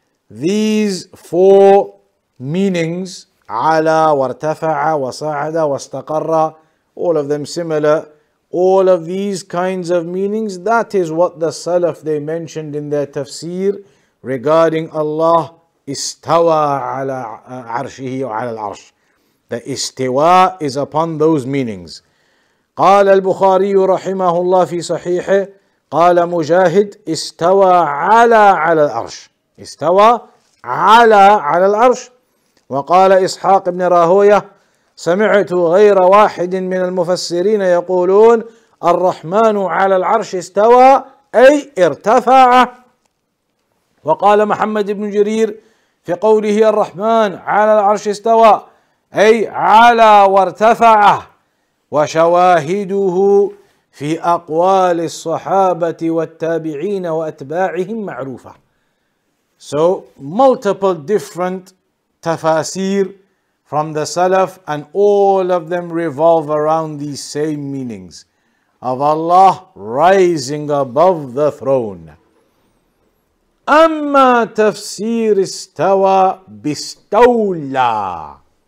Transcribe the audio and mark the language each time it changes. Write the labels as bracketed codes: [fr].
[en] These four meanings, [ar] على وارتفع وصعد واستقر, [en] all of them similar, all of these kinds of meanings, that is what the Salaf they mentioned in their tafsir regarding Allah [ar] istawa ala arshihi wa ala al-arsh. [en] The istiwa is upon those meanings. [ar] قال البخاري رحمه الله في صحيحه قال مجاهد استوى على على الأرش استوى على على الأرش. وقال إسحاق بن راهوية سمعت غير واحد من المفسرين يقولون الرحمن على العرش استوى أي ارتفع. وقال محمد بن جرير في قوله الرحمن على العرش استوى أي على وارتفع. وشواهده في أقوال الصحابة والتابعين وأتباعهم معروفة. [en] So multiple different tafasir from the Salaf, and all of them revolve around these same meanings. of Allah rising above the throne. [ar] Amma tafsir istawa bistawla.